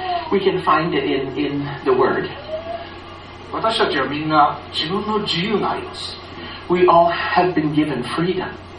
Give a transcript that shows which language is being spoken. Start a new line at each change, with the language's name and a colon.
English: We can find it in the word.
Japanese: 私たちはみんな自分の自由があります。
English: We all have been given freedom.